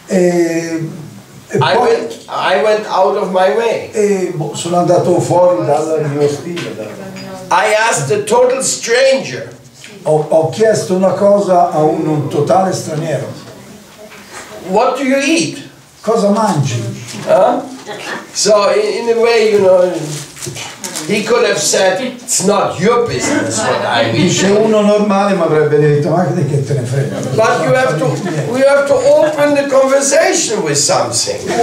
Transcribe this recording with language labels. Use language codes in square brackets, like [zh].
[en] I went out of my way. [it] E sono andato fuori dal mio stile. [en] I asked a total stranger. [it] Ho chiesto una cosa a un totale straniero. [en] What do you eat? [it] Cosa mangi? [en] So in a way, you know, he could have said, it's not your business what I eat. [it] Dice uno normale mi avrebbe detto, ma di che te ne frega? [en] But you have to open the conversation with something.